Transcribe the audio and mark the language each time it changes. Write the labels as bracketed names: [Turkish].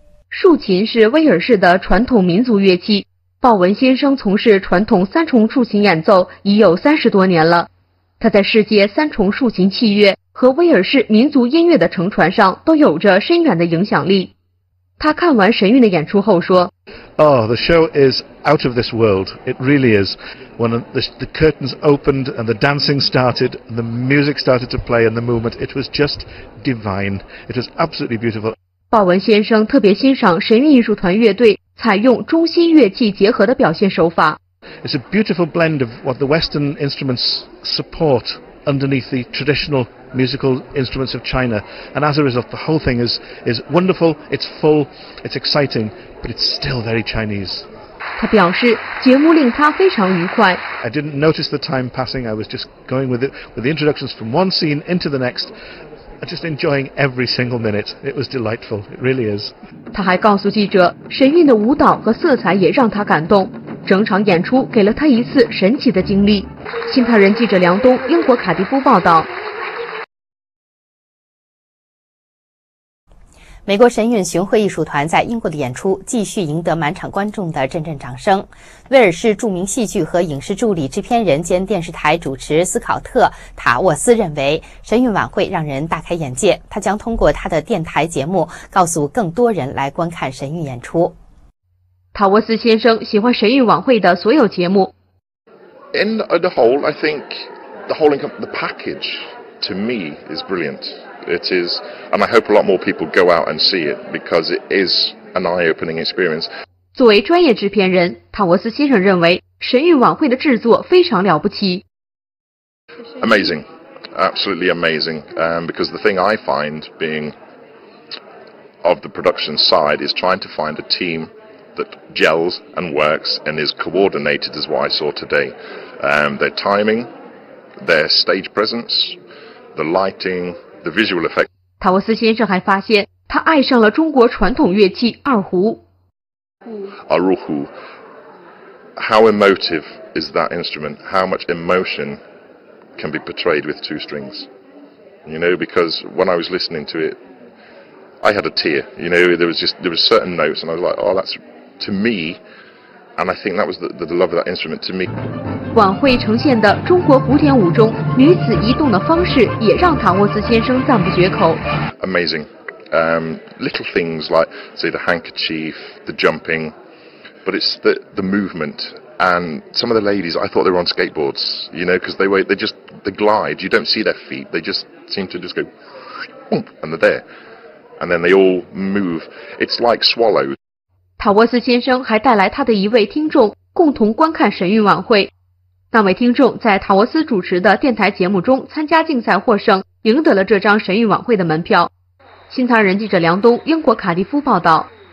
[Chinese] 竖琴是威尔士的传统民族乐器，鲍文先生从事传统三重竖琴演奏已有30多年了。他在世界三重竖琴器乐和威尔士民族音乐的乘船上都有着深远的影响力。他看完神韵的演出后说 [English] Oh, the show is out of this world. It really is. When the curtains opened and the dancing started, and the music started to play and the movement, it was just divine. It was absolutely beautiful. [Chinese] 鲍文先生特别欣赏神韵艺术团乐队采用中西乐器结合的表现手法。 [English] It's a beautiful blend of what the Western instruments support underneath the traditional musical instruments of China, and as a result, the whole thing is wonderful, it's full, it's exciting, but it's still very Chinese. [Chinese] 他表示节目令他非常愉快。 [English] I didn't notice the time passing. I was just going with it, with the introductions from one scene into the next. I'm just enjoying every single minute. It was delightful. It really is. [Chinese] 他还告诉记者，神韵的舞蹈和色彩也让他感动，整场演出给了他一次神奇的经历。新唐人记者梁东，英国卡迪夫报道。美国神韵巡回艺术团在英国的演出继续赢得满场观众的阵阵掌声。威尔士著名戏剧和影视助理制片人兼电视台主持斯考特·塔沃斯认为，神韵晚会让人大开眼界，他将通过他的电台节目告诉更多人来观看神韵演出。塔沃斯先生喜欢神韵晚会的所有节目。 [English] In the whole, I think the whole income, the package to me is brilliant. It is, and I hope a lot more people go out and see it because it is an eye-opening experience. [Chinese] 作为专业制片人，塔沃斯先生认为神韵晚会的制作非常了不起。 [English] Amazing, absolutely amazing. Because the thing I find being of the production side is trying to find a team that gels and works and is coordinated, is what I saw today. Their timing, their stage presence, the lighting. The visual effect. [Chinese] 塔沃斯先生还发现他爱上了中国传统乐器二胡。 [English] 二胡。How emotive is that instrument? How much emotion can be portrayed with two strings? You know, because when I was listening to it, I had a tear. You know, there was certain notes and I was like, oh, that's to me. And I think that was the love of that instrument to me. [Chinese] 晚会呈现的中国古典舞中女子移动的方式也让塔沃斯先生赞不绝口。 [English] Amazing. Little things like, say, the handkerchief, the jumping, but it's the movement. And some of the ladies, I thought they were on skateboards, you know, because they glide. You don't see their feet. They just seem to just go, and they're there. And then they all move. It's like swallows. [Chinese] 塔沃斯先生还带来他的一位听众共同观看神韵晚会。那位听众在塔沃斯主持的电台节目中参加竞赛获胜，赢得了这张神韵晚会的门票。新唐人记者梁东，英国卡迪夫报道。